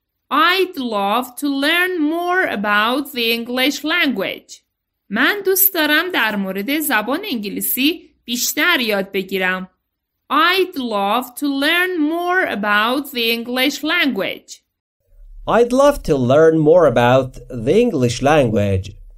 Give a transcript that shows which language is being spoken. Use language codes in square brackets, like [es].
[en] I'd love to learn more about the English language. [fa] من دوست دارم در مورد زبان انگلیسی بیشتر یاد بگیرم. [en] I'd love to learn more about the English language. I'd love to learn more about the English language.